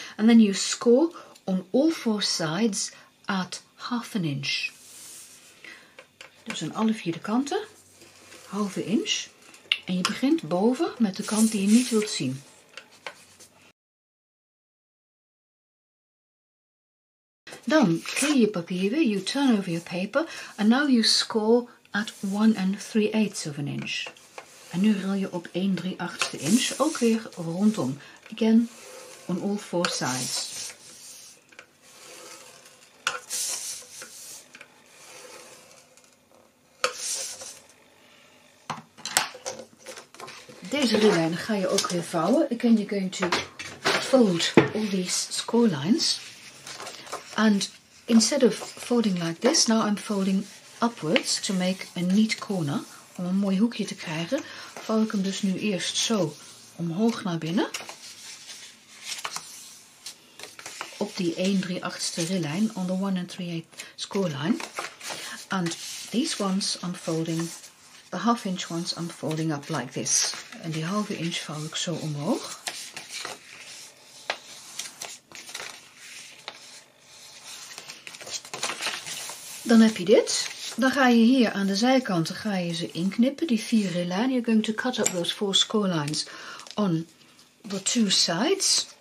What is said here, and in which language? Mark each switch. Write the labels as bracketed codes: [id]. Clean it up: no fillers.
[en] And then you score on all four sides at 1/2 inch. [nl] Dus aan alle vier de kanten, 1/2 inch. En je begint boven met de kant die je niet wilt zien. Dan clear je papier weer, [en] you turn over your paper, and now you score at 1 3/8 inch. [nl] En nu ril je op 1 3/8 inch, ook weer rondom. [en] Again, on all four sides. [nl] Deze rillijnen ga je ook weer vouwen. [en] Again, you're going to fold all these score lines. And instead of folding like this, now I'm folding upwards to make a neat corner. [nl] Om een mooi hoekje te krijgen, vouw ik hem dus nu eerst zo omhoog naar binnen. Op die 1 3/8 rillijn, [en] on the 1 3/8 score line. And these ones I'm folding, the 1/2 inch ones I'm folding up like this. [nl] En die 1/2 inch vouw ik zo omhoog. Dan heb je dit. Dan ga je hier aan de zijkanten ga je ze inknippen, die vier rillijnen. [en] You're going to cut up those four score lines on the two sides.